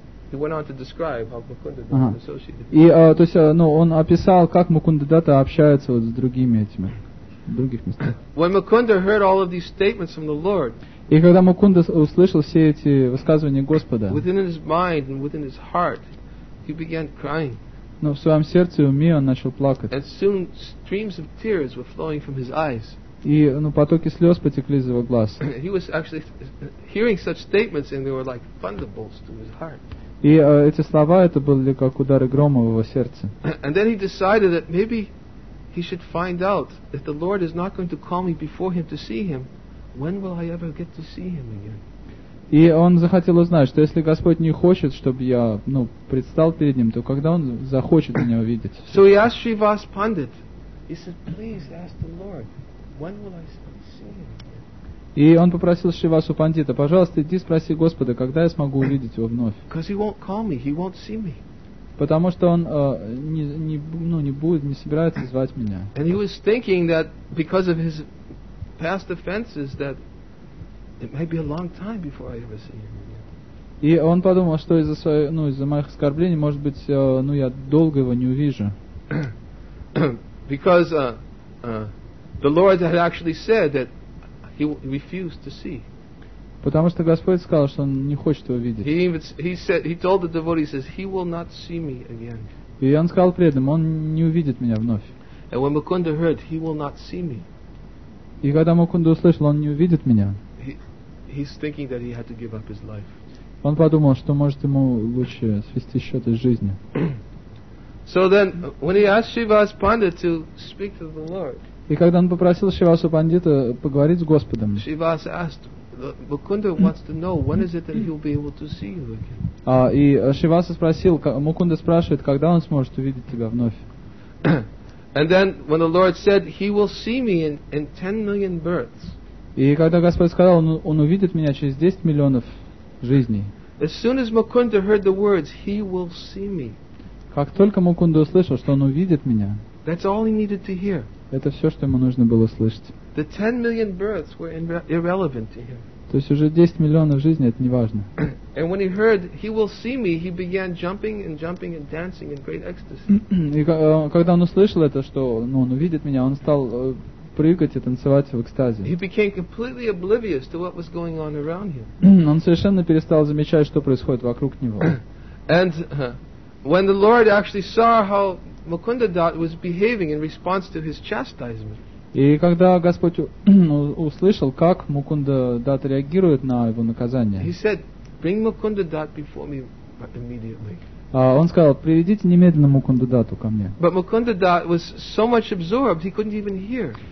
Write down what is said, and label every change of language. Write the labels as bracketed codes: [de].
[en] He went on to describe how Mukunda Das associated. [ru] И то есть, ну, он описал, как Мукунда Дата общается вот с другими этими других местами. [en] When Mukunda heard all of these statements from the Lord. [ru] И когда Мукунда услышал все эти высказывания Господа. [en] Within his mind and within his heart, he began crying. [ru] Но в своем сердце и уме он начал плакать. [en] And soon streams of tears were flowing from his eyes. [ru] И, ну, потоки слез потекли из его глаз. [en] He was actually hearing such statements and they were like thunderbolts to his heart. [ru] И эти слова, это были как удары грома в его сердце. [en] And then he decided that maybe he should find out if the Lord is not going to call me before him to see him, when will I ever get to see him again? [ru] И он захотел узнать, что если Господь не хочет, чтобы я, ну, предстал перед ним, то когда он захочет меня увидеть? [en] So he asked Shrivas Pandit. He said, please ask the Lord, when will I see him? [ru] И он попросил Шривасу Пандита, пожалуйста, иди спроси Господа, когда я смогу увидеть его вновь. [en] Because he won't call me, he won't see me. [ru] Потому что он не собирается звать меня. [en] And he was thinking that because of his past offenses that it might be a long time before I ever see him again. [ru] И он подумал, что из-за своих, ну, из-за моих оскорблений, может быть, ну, я долго его не увижу. [en] Because the Lord had actually said that he refused to see. [ru] Потому что Господь сказал, что он не хочет его видеть. [en] He told the devotee, he says, he will not see me again. [ru] И он сказал преданным, он не увидит меня вновь. [en] And when Mukunda heard, he will not see me. [ru] И когда Мукунда услышал, он не увидит меня. [en] He's thinking that he had to give up his life. [ru] он подумал, что может ему лучше свести счеты с жизнью. [en] So then, when he asked Shivas Pandit to speak to the Lord, [ru] и когда он попросил Шивасу Пандита поговорить с Господом, [en] Shivas asked, Mukunda wants to know when is it that he'll be able to see you again. [ru] И Шиваса спросил, Мукунда спрашивает, когда он сможет увидеть тебя вновь. [en] And then when the Lord said he will see me in 10 million births. [ru] И когда Господь сказал, он увидит меня через 10 миллионов жизней. [en] As soon as Mukunda heard the words, he will see me. [ru] Как только Мукунда услышал, что он увидит меня. [en] That's all he needed to hear. [ru] Это все, что ему нужно было слышать. [en] The 10 million births were irrelevant to him. [ru] То есть уже 10 миллионов жизней, это не важно. [en] And when he heard he will see me, he began jumping and jumping and dancing in great ecstasy. [ru] И когда он услышал это, что он увидит меня, он стал прыгать и танцевать в экстазе. [en] He became completely oblivious to what was going on around him. [ru] Он совершенно перестал замечать, что происходит вокруг него. [en] And when the Lord actually saw how Mukunda Dutt was behaving in response to his chastisement. [ru] И когда Господь услышал, как Мукунда Дат реагирует на его наказание. [en] He said, "Bring Mukunda Dutt before me immediately." [ru] Он сказал, приведите немедленно Мукунда Датту ко мне. [en] But Mukunda Dutt was so much absorbed, he couldn't even hear.